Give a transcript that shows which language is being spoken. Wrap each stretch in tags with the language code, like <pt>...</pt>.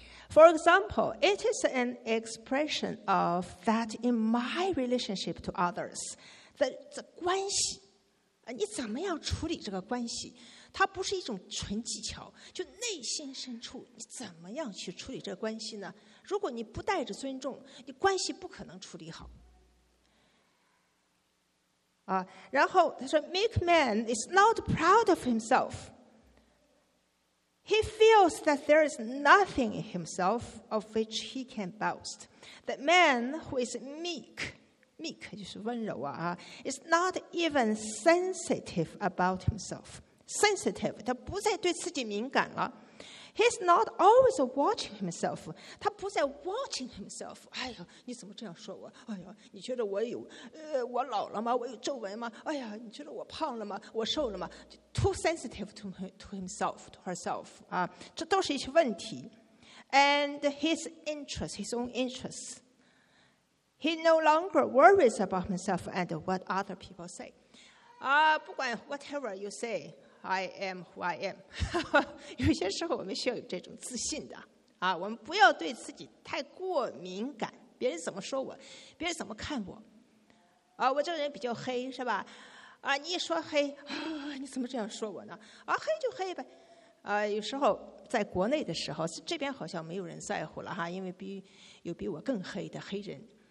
<en>For example, it is an expression of that in my relationship to others.</en> <zh>这关系，你怎么样处理这个关系？它不是一种纯技巧，就内心深处，你怎么样去处理这个关系呢？如果你不带着尊重，你关系不可能处理好。啊，然后他说</zh> <en>Meek man is not proud of himself. He feels that there is nothing in himself of which he can boast. The man who is meek</en> <zh>就是温柔</zh> <en>is not even sensitive about himself. Sensitive</en> <zh>他不再对自己敏感了。</zh> <en>He's not always watching himself.</en> <zh>他不在</zh> <en>watching himself.</en> <zh>哎呀，你怎么这样说我？哎呀，你觉得我有我老了吗？我有皱纹吗？哎呀，你觉得我胖了吗？我瘦了吗？</zh> <en>Too sensitive to himself, to herself.</en> <zh>啊，这都是一些问题。</zh> <en>And his interests, his own interests. He no longer worries about himself and what other people say.</en> <zh>啊，不管</zh> <en>whatever you say. I am who I am.</en> <zh>有些时候我们需要有这种自信的、啊、我们不要对自己太过敏感，别人怎么说我，别人怎么看我、啊、我这个人比较黑是吧、啊、你一说黑、啊、你怎么这样说我呢、啊、黑就黑呗、啊、有时候在国内的时候这边好像没有人在乎了哈，因为有比我更黑的黑人。</zh>